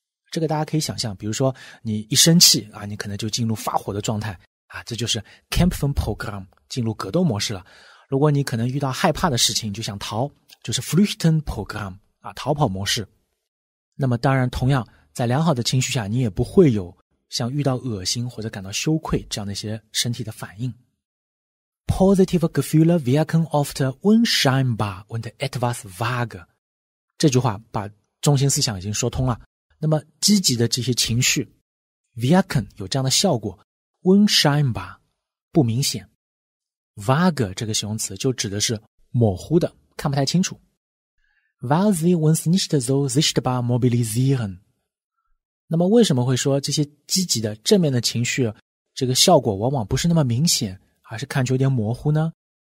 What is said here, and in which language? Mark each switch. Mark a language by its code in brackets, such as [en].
[zh] 这个大家可以想象，比如说你一生气啊，你可能就进入发火的状态啊，这就是 Kämpfenprogramm 进入格斗模式了。如果你可能遇到害怕的事情就想逃，就是 Flüchtenprogramm 啊，逃跑模式。那么当然同样在良好的情绪下，你也不会有像遇到恶心或者感到羞愧这样的一些身体的反应。 [de] Positive Gefühle wirken oft unscheinbar und etwas vage， [zh] 这句话把中心思想已经说通了。那么积极的这些情绪 wirken 有这样的效果， unscheinbar 不明显， vage 这个形容词就指的是模糊的，看不太清楚。 [de] weil sie uns nicht so sichtbar mobilisieren， [zh] 那么为什么会说这些积极的正面的情绪这个效果往往不是那么明显，而是看起来有点模糊呢？